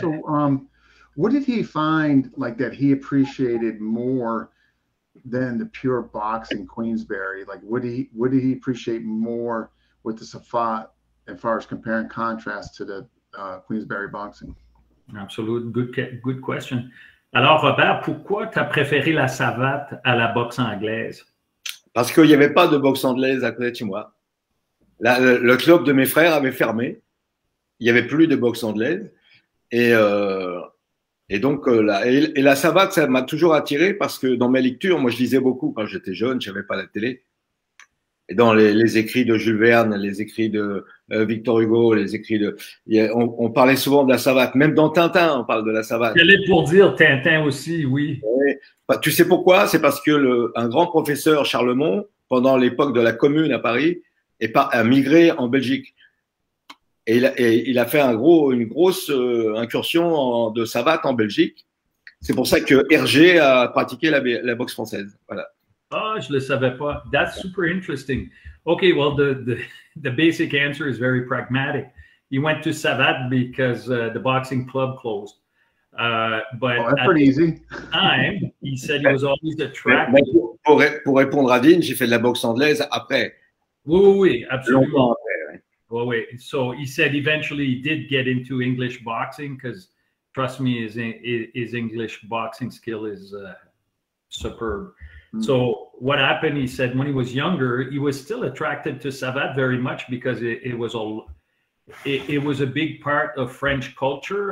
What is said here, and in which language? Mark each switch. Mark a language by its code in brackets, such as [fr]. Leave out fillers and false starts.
[en] So what did he find like that he appreciated more than the pure boxing Queensberry? Like what did he appreciate more with the Safat as far as compare and contrast to the Queensberry boxing? Absolutely. Good question. [fr] Alors Robert, pourquoi tu as préféré la Savate à la boxe anglaise? Parce qu'il n'y avait pas de boxe anglaise à côté de chez moi. Le club de mes frères avait fermé. Il n'y avait plus de boxe anglaise. Et la Savate, ça m'a toujours attiré parce que dans mes lectures, moi je lisais beaucoup quand j'étais jeune, je n'avais pas la télé. Et dans les écrits de Jules Verne, les écrits de Victor Hugo, les écrits de... On parlait souvent de la Savate. Même dans Tintin, on parle de la Savate. J'allais pour dire Tintin aussi, oui. Bah, tu sais pourquoi? C'est parce que un grand professeur, Charlemont, pendant l'époque de la Commune à Paris, a migré en Belgique. Et il a fait une grosse incursion de Savate en Belgique. C'est pour ça que Hergé a pratiqué la boxe française. Voilà. Oh, je le savais pas. [en] That's super interesting. Okay, well, the basic answer is very pragmatic. He went to Savate because the boxing club closed. But at the time, he said he was always attracted. [fr] Pour répondre à Dean, j'ai fait de la boxe anglaise après. Oui, [en] absolutely. [fr] Après, ouais. [en] Well, wait. So he said eventually he did get into English boxing because, trust me, his English boxing skill is superb. So what happened, he said, when he was younger, he was still attracted to Savate very much because it was a big part of French culture.